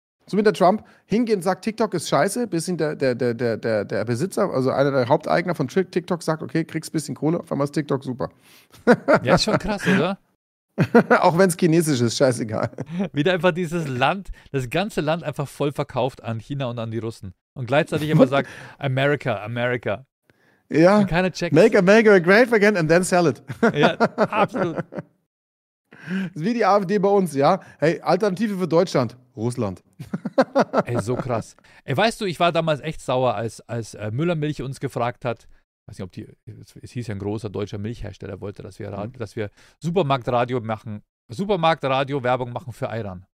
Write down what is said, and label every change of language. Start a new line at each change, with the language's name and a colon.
German: So wie der Trump hingehen und sagt, TikTok ist scheiße, bis ihn der Besitzer, also einer der Haupteigner von TikTok sagt, okay, kriegst ein bisschen Kohle, auf einmal ist TikTok super. Ja, ist schon krass, oder? Auch wenn es chinesisch ist, scheißegal. Wieder einfach dieses Land, das ganze Land einfach voll verkauft an China und an die Russen. Und gleichzeitig immer sagt,
English: America, America.
German: Ja. Und keiner checkt.
English: Make America great again and then sell it.
German: Ja, absolut. Wie die AfD bei uns, ja? Hey, Alternative für Deutschland, Russland. Ey, so krass. Ey, weißt du, ich war damals echt sauer, als Müllermilch uns gefragt hat, weiß nicht, ob die, es hieß ja ein großer deutscher Milchhersteller, wollte, dass wir Supermarktradio-Werbung machen für Ayran.